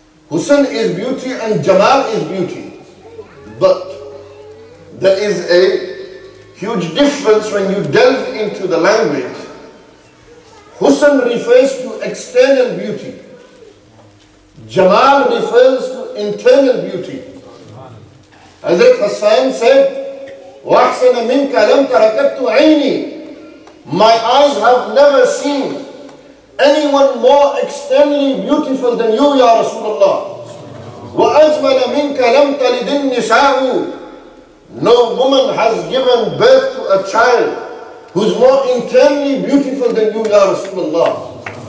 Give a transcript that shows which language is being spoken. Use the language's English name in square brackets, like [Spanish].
[English] Husn is beauty and Jamal is beauty. But there is a huge difference when you delve into the language. Husn refers to external beauty. Jamal refers to internal beauty. Hazrat Hassan said, [Arabic] وَأَحْسَنَ مِنْكَ لَمْ تَرَكَتُ عَيْنِي. [English] My eyes have never seen anyone more externally beautiful than you, ya Rasulullah. [Arabic] وَأَجْمَلَ مِنْكَ لَمْ تَلِدِ النِّسَاءُ. [English] No woman has given birth to a child who's more internally beautiful than you, ya Rasulullah.